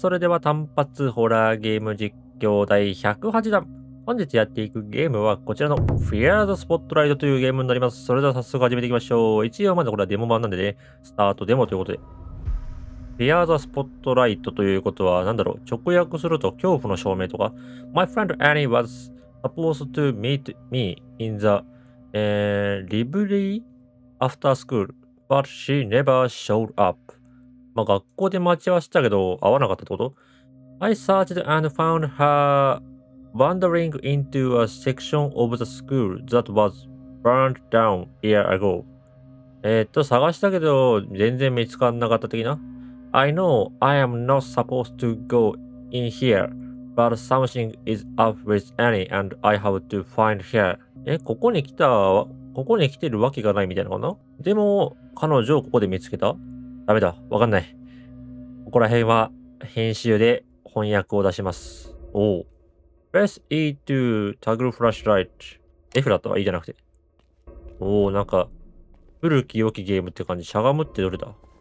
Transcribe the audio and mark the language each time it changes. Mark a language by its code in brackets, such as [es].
[ja] それでは単発ホラーゲーム実況第108弾、本日やっていくゲームはこちらのフィアーズスポットライトというゲームになります。それでは早速始めていきましょう。一応まだこれはデモ版なんでね、スタートデモということで。フィアーズスポットライトということは何だろう、直訳すると恐怖の照明とか。 [en] My friend Annie was supposed to meet me in the library after school, but she never showed up. [ja] まあ学校で待ち合わせたけど会わなかったってこと。 [en] I searched and found herWandering into a section of the school that was burned down a year ago. [ja] 探したけど全然見つからなかった的な。 [en] I know I am not supposed to go in here, but something is up with Annie and I have to find her. [ja] ここに来てるわけがないみたいなのかな。でも彼女をここで見つけた。ダメだ、わかんない。ここら辺は編集で翻訳を出します。おお。 [en] Press E to toggle flashlight. [ja] F だったわ、E じゃなくて。おー、なんか、古き良きゲームって感じ。しゃがむってどれだ？